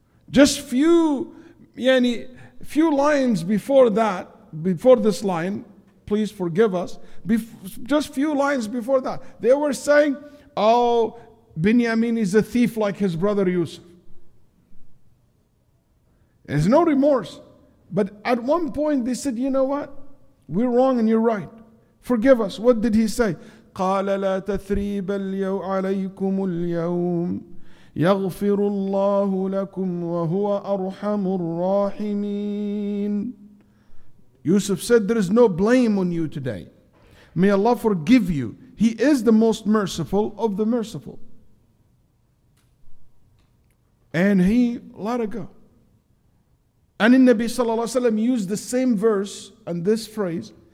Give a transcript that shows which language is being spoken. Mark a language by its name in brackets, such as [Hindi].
[English] Just few lines before that, before this line, please forgive us. Just few lines before that, they were saying, oh, Binyamin is a thief like his brother Yusuf. There's no remorse. But at one point they said, you know what? We're wrong and you're right. Forgive us. What did he say? [Arabic] قَالَ لَا تَثْرِيبَ الْيَوْمَ عَلَيْكُمُ الْيَوْمَ. يغفر الله لكم وهو أرحم الراحمين. [English] Yusuf said, there is no blame on you today. May Allah forgive you. He is the most merciful of the merciful. And he let it go. And in Nabi sallallahu alayhi wa sallam used the same verse and this phrase.